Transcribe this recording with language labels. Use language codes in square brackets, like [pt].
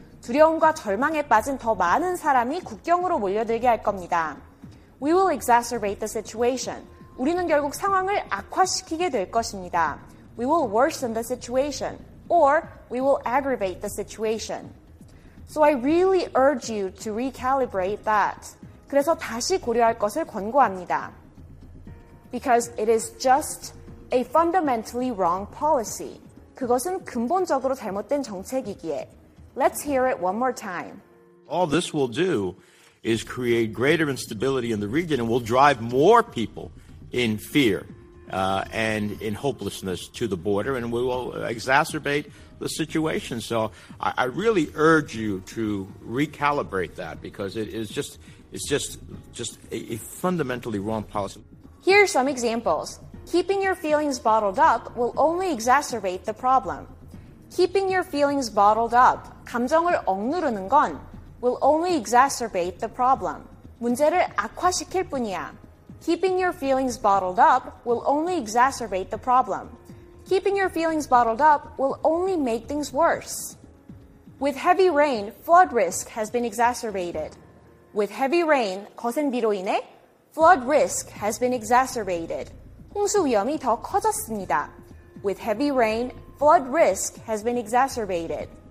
[ko] 두려움과 절망에 빠진 더 많은 사람이 국경으로 몰려들게 할 겁니다. [en] We will exacerbate the situation. [ko] 우리는 결국 상황을 악화시키게 될 것입니다. [en] We will worsen the situation. Or we will aggravate the situation. So I really urge you to recalibrate that. [ko] 그래서 다시 고려할 것을 권고합니다. [en] Because it is just a fundamentally wrong policy. [ko] 그것은 근본적으로 잘못된 정책이기에. [en] Let's hear it one more time. All this will do is create greater instability in the region and will drive more people in fear. And in hopelessness to the border, and we will exacerbate the situation. So I really urge you to recalibrate that because it's just a fundamentally wrong policy. Here are some examples. Keeping your feelings bottled up will only exacerbate the problem. Keeping your feelings bottled up, [ko] 감정을 억누르는 건, [en] will only exacerbate the problem. [ko] 문제를 악화시킬 뿐이야. [en] Keeping your feelings bottled up will only exacerbate the problem. Keeping your feelings bottled up will only make things worse. With heavy rain, flood risk has been exacerbated. With heavy rain, [ko] 거센 비로 인해 [en] flood risk has been exacerbated. [ko] 홍수 위험이 더 커졌습니다. [en] With heavy rain, flood risk has been exacerbated.